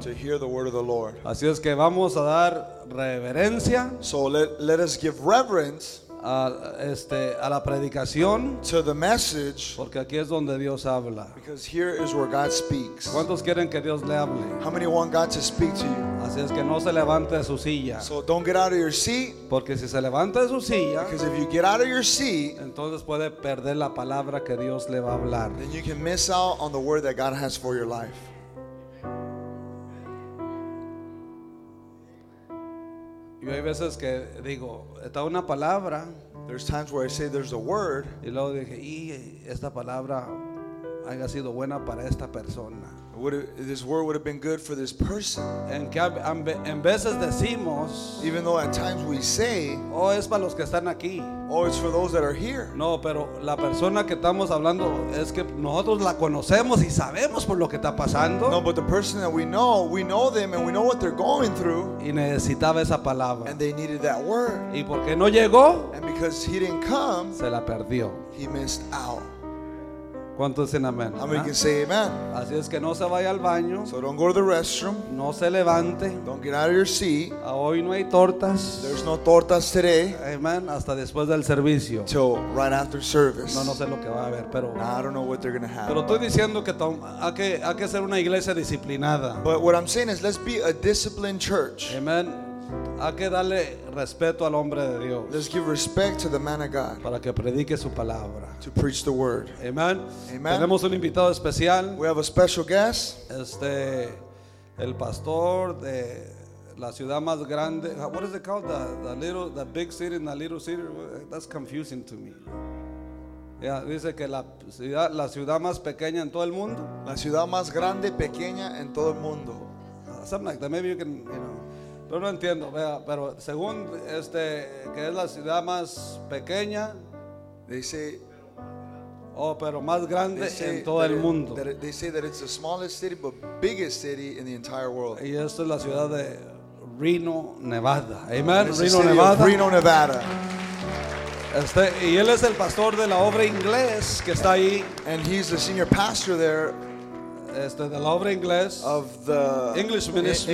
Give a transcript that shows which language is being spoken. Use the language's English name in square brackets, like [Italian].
[English] To hear the word of the Lord. [Spanish] Así es que vamos a dar reverencia. [English] So let us give reverence. [Spanish] A la predicación. [English] To the message. [Spanish] Porque aquí es donde Dios habla. [English] Because here is where God speaks. [Spanish] ¿Cuántos quieren que Dios le hable? [English] How many want God to speak to you? [Spanish] Así es que no se levante de su silla. [English] So don't get out of your seat. [Spanish] Porque si se levanta de su silla. [English] Because if you get out of your seat. [Spanish] Entonces puede perder la palabra que Dios le va a hablar. [English] Then you can miss out on the word that God has for your life. [Spanish] Yo hay veces que digo, está una palabra. [English] There's times where I say there's a word. [Spanish] Y luego dije, y esta palabra haya sido buena para esta persona. [English] This word would have been good for this person. [Spanish] En que en veces decimos, [English] even though at times we say, [Spanish] oh, es para los que están aquí. [English] Oh, it's for those that are here. [Spanish] No, pero la persona que estamos hablando es que nosotros la conocemos y sabemos por lo que está pasando. [English] No, but the person that we know them and we know what they're going through. [Spanish] Y necesitaba esa palabra. [English] And they needed that word. [Spanish] Y porque no llegó, [English] and because he didn't come, [Spanish] se la perdió. [English] He missed out. [Spanish] ¿Cuántos dicen amén? [English] How many can say amen? [Spanish] Así es que no se vaya al baño. [English] So don't go to the restroom. [Spanish] No se levante. [English] Don't get out of your seat. [Spanish] Hoy no hay tortas. [English] There's no tortas today. [Spanish] Amen. Hasta después del servicio. [English] Till right after service. [Spanish] No sé lo que va a haber, pero. [English] Now, I don't know what they're going to have. [Spanish] Pero estoy diciendo que hay que ser una iglesia disciplinada. [English] But what I'm saying is let's be a disciplined church. Amen. [Spanish] Hay que darle respeto al hombre de Dios. [English] Let's give respect to the man of God. [Spanish] Para que predique su palabra. [English] To preach the word. Amen. Amen. [Spanish] Tenemos un invitado especial. [English] We have a special guest. [Spanish] El pastor de la ciudad más grande. [English] What is it called? The big city and the little city. That's confusing to me. [Spanish] Yeah, dice que la ciudad más pequeña en todo el mundo. La ciudad más grande y pequeña en todo el mundo. [English] Something like that. Maybe you can, [Spanish] Pero no entiendo, vea, pero según que es la ciudad más pequeña, dice, pero más grande en todo el mundo. [English] They say that it's the smallest city, but biggest city in the entire world. [Spanish] Y esto es la ciudad de Reno, Nevada. Amen, Reno, Nevada. Reno, Nevada. Y él es el pastor de la obra inglés que está ahí. [English] And he's the senior pastor there. [Spanish] De la obra inglés, [English] of the English ministry,